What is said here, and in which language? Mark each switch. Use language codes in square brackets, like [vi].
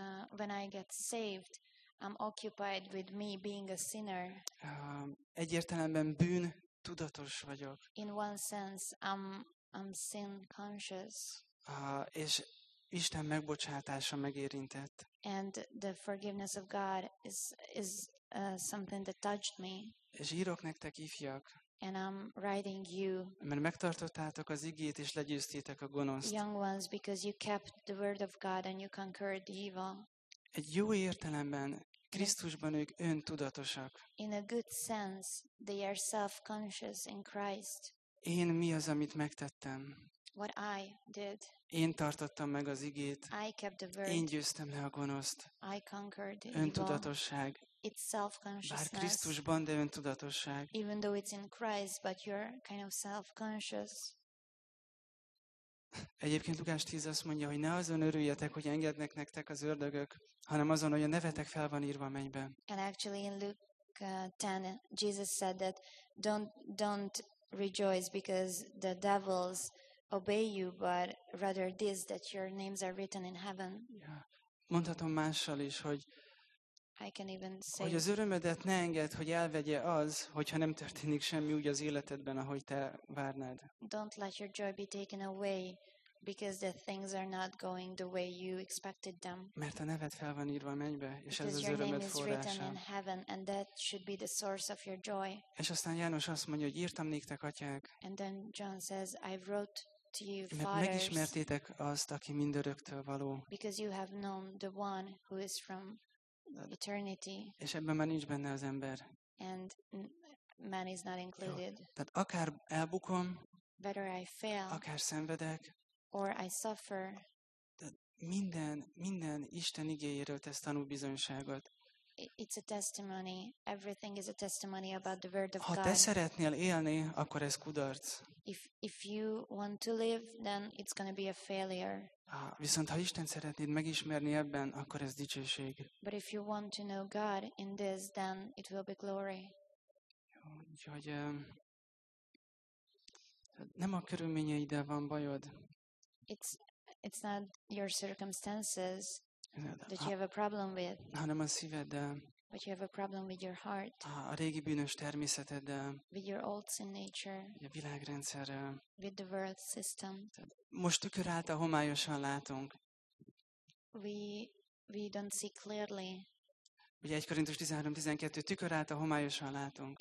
[en] When I get saved, I'm occupied with me being a sinner. [hu] Egyértelműen bűn tudatos vagyok. [en] In one sense, I'm sin conscious. [hu] És Isten megbocsátása megérintett. [en] And the forgiveness of God is something that touched me. [hu] És írok nektek, ifjak. [en] And I'm writing you. [hu] Mert megtartottátok az igét és legyőztétek a gonoszt. [en] Young ones, because you kept the word of God and you conquered the evil. [hu] Egy jó értelemben Krisztusban ők öntudatosak. [en] In a good sense, they are self-conscious in Christ. [hu] Én mi az, amit megtettem? [en] What I did. [hu] Én tartottam meg az igét. [en] I kept the word. [hu] Én győztem le a gonoszt. [en] I conquered the evil. [hu] Öntudatosság. [en] It's self-consciousness. [hu] Bár Krisztusban, de öntudatosság. [en] Even though it's in Christ, but you're kind of self-conscious. [hu] Egyébként Lukács 10 azt mondja, hogy ne azon örüljetek, hogy engednek nektek az ördögök, hanem azon, hogy a nevetek fel van írva a mennyben. [en] And actually in Luke 10, Jesus said that don't rejoice because the devils obey you, but rather this, that your names are written in heaven. Yeah. [hu] Mondhatom mással is, hogy [en] I can even say, [hu] hogy az örömedet ne engedd, hogy elvegye az, hogyha nem történik semmi úgy az életedben, ahogy te várnád. [en] Don't let your joy be taken away because the things are not going the way you expected them. [hu] Mert a neved fel van írva a mennybe, és [en] because [hu] ez az örömed forrása. [en] Because your name is written in heaven and that should be the source of your joy. [hu] És aztán János azt mondja, hogy írtam néktek, atyák. [en] And then John says, I wrote to you, fathers. [hu] Mert megismertétek azt, aki mindöröktől való. [en] Because you have known the one who is from eternity. [hu] És ebben már nincs benne az ember. [en] And man is not included. [hu] Jó. Tehát akár elbukom, [en] better I fail, [hu] akár szenvedek, [en] or I suffer. [hu] Tehát minden Isten igéjéről tesz tanúbizonyságot. [en] It's a testimony. Everything is a testimony about the word of God. [hu] Ha te szeretnél élni, akkor ez kudarc. [en] If you want to live, then it's going to be a failure. [hu] Viszont ha Isten szeretnéd megismerni ebben, akkor ez dicsőség. [en] But if you want to know God in this, then it will be glory. [hu] Úgyhogy nem a körülményeiddel van bajod. [en] It's not your circumstances that you have a problem with. [hu] Hanem a szíveddel. [en] But you have a problem with your heart. [hu] A régi bűnös természeteddel. [en] With your old sin nature. [hu] A világrendszerrel. [en] With the world system. [hu] Most tükör által homályosan látunk. [en] We don't see clearly. [hu] Ugye 1 Korintus 13:12 tükör által homályosan látunk.